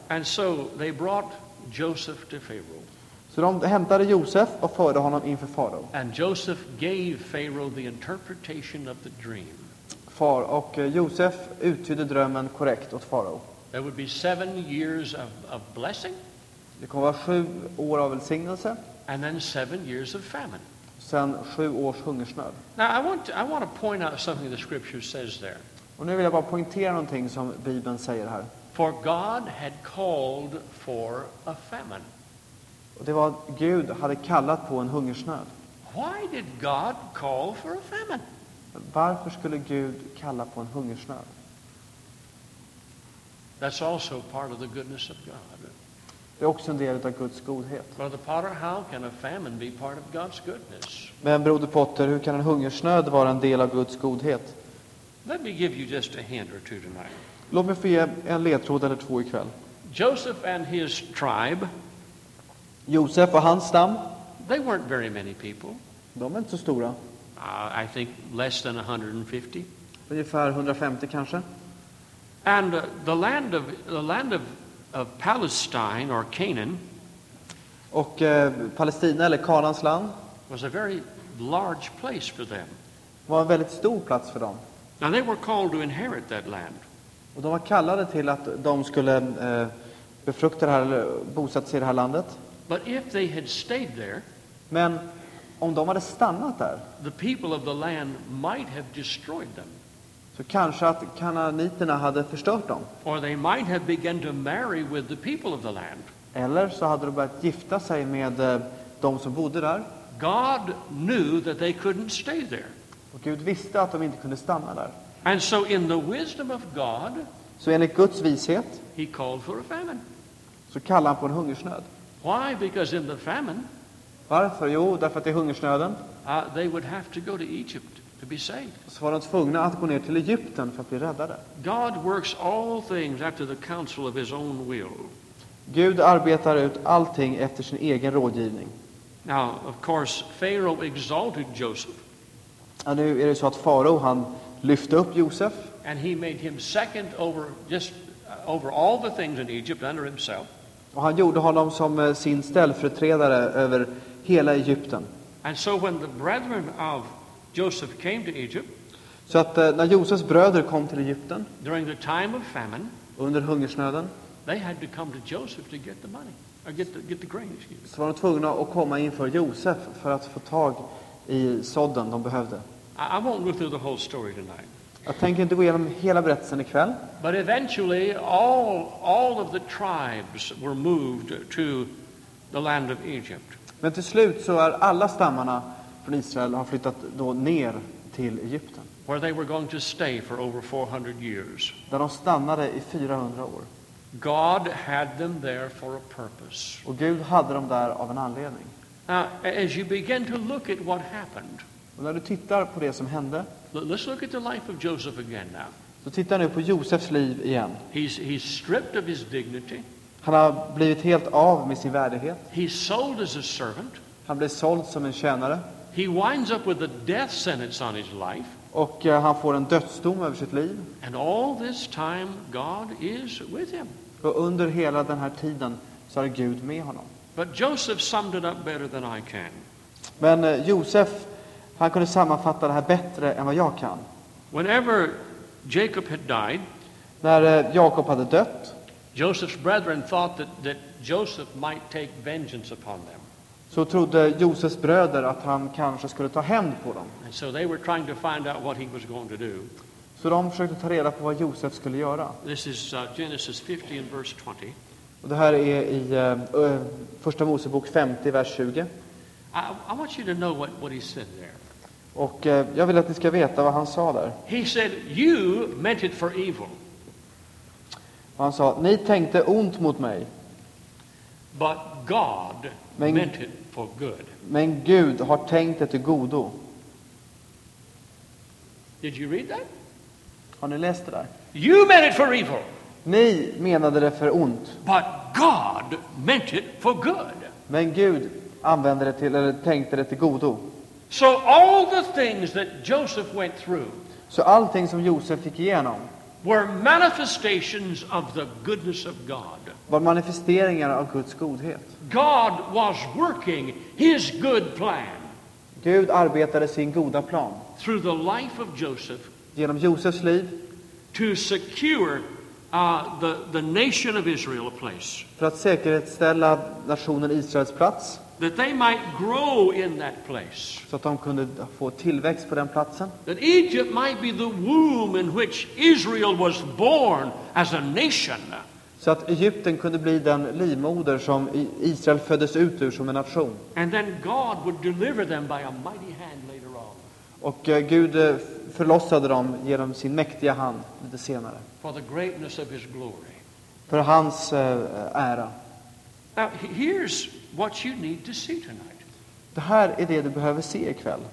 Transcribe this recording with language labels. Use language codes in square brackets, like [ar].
[en] And so they brought Joseph to Pharaoh. [sv] Så Så de hämtade Josef och förde honom inför farao. [en] And Joseph gave Pharaoh the interpretation of the dream. [sv] Och Josef uttydde drömmen korrekt åt farao. [en] There would be 7 years of blessing. [sv] Det kommer vara 7 år av välsignelse. [en] And then 7 years of famine. [sv] Sen 7 års hungersnöd. [en] Now I want to point out something the scripture says there. [sv] Och nu vill jag bara poängtera någonting som Bibeln säger här. [en] For God had called for a famine. [sv] Och det var att Gud hade kallat på en hungersnöd. [en] Why did God call for a famine? [sv] Varför skulle Gud kalla på en hungersnöd? [en] That's also part of the goodness of God. [sv] Det är också en del av Guds godhet. [en] Brother Potter, how can a famine be part of God's goodness? [sv] Men broder Potter, hur kan en hungersnöd vara en del av Guds godhet? [en] Let me give you just a hint or two tonight. [sv] Låt mig få ge en ledtråd eller två ikväll. [en] Joseph and his tribe. [sv] Josef och hans stam. [en] They weren't very many people. [sv] De är inte så stora. [en] I think less than 150. [sv] Ungefär 150 kanske. [en] And the land of Palestine or Canaan. [sv] Och Palestina eller Kanaans land. [en] Was a very large place for them. [sv] Var en väldigt stor plats för dem. [en] Now they were called to inherit that land. [sv] Och de var kallade till att de skulle befrukta det här eller bosätta sig i det här landet. [en] But if they had stayed there, [sv] men om de hade stannat där, [en] the people of the land might have destroyed them. [sv] Så kanske att kananiterna hade förstört dem. [en] Or they might have begun to marry with the people of the land. [sv] Eller så hade de börjat gifta sig med de som bodde där. [en] God knew that they couldn't stay there. [sv] Och Gud visste att de inte kunde stanna där. [en] And so in the wisdom of God, [sv] så enligt Guds vishet, [en] he called for a famine. [sv] Så kallade han på en hungersnöd. [en] Why? Because in the famine, [sv] varför? Jo, därför att det är hungersnöden. [en] They would have to go to Egypt to be saved. [sv] Så var de tvungna att gå ner till Egypten för att bli räddade. [en] God works all things after the counsel of his own will. [sv] Gud arbetar ut allting efter sin egen rådgivning. [en] Now, of course, Pharaoh exalted Joseph. [sv] Och nu är det så att farao han lyfte upp Josef. [en] And he made him second over all the things in Egypt under himself. [sv] Och han gjorde honom som sin ställföreträdare över hela Egypten. [en] And so when the brethren of Joseph came to Egypt, [sv] så att när Josefs bröder kom till Egypten, [en] during the time of famine, [sv] under hungersnöden, [en] they had to come to Joseph to get the money, or get the grain, excuse me. [sv] Så var de tvungna att komma inför Josef för att få tag i sådden de behövde. [en] I won't go through the whole story tonight. [sv] Jag tänker inte gå igenom hela berättelsen ikväll. [en] But eventually all of the tribes were moved to the land of Egypt. [sv] Men till slut så är alla stammarna från Israel har flyttat då ner till Egypten. [en] Where they were going to stay for over 400 years. [sv] Där de stannade i 400 år. [en] God had them there for a purpose. [sv] Och Gud hade dem där av en anledning. [en] Now, as you begin to look at what happened. [sv] Och när du tittar på det som hände. [en] Let's look at the life of Joseph again now. [sv] Så tittar nu på Josefs liv igen. [en] He's stripped of his dignity. [sv] Han har blivit helt av med sin värdighet. [en] He's sold as a servant. [sv] Han blev såld som en tjänare. [en] He winds up with a death sentence on his life. [sv] Och han får en dödsdom över sitt liv. [en] And all this time God is with him. [sv] Och under hela den här tiden så är Gud med honom. [en] But Joseph summed it up better than I can. [sv] Men Josef, han kunde sammanfatta det här bättre än vad jag kan. [en] Whenever Jacob had died, [sv] när Jakob hade dött, [en] Joseph's brethren thought that Joseph might take vengeance upon them. [sv] Så trodde Josefs bröder att han kanske skulle ta hämnd på dem. [en] And so they were trying to find out what he was going to do. [sv] Så de försökte ta reda på vad Josef skulle göra. [en] This is Genesis 50 and verse 20. [sv] Och det här är i första Mosebok 50 vers 20. [en] I want you to know what he said there. [sv] Och jag vill att ni ska veta vad han sa där. [en] He said, you meant it for evil. [sv] Och han sa, ni tänkte ont mot mig. [en] But God meant it for good. [sv] Men Gud har tänkt det till godo. [en] Did you read that? [sv] Har ni läst det där? [en] You meant it for evil. [sv] Ni menade det för ont. [en] But God meant it for good. [sv] Men Gud använde det till eller tänkte det till godo. [en] So all the things that Joseph went through. [sv] Så allting som Josef fick igenom. [en] Were manifestations of the goodness of God. [sv] Var manifesteringar av Guds godhet. [en] God was working his good plan. [sv] Gud arbetade sin goda plan. [en] Through the life of Joseph. [sv] Genom Josefs liv. [en] To secure the nation of Israel a place. [sv] För att säkerställa nationen Israels plats. [en] That they might grow in that place. [sv] Så att de kunde få tillväxt på den platsen. [en] That Egypt might be the womb in which Israel was born as a nation. [sv] Så att Egypten kunde bli den livmoder som Israel föddes ut ur som en nation. [en] And then God would deliver them by a mighty hand later on. [sv] Och Gud förlossade dem genom sin mäktiga hand lite senare. [en] For the greatness of his glory. [sv] För hans ära. [en] Now here's what you need to see tonight. [sv] Det här är det du behöver se ikväll.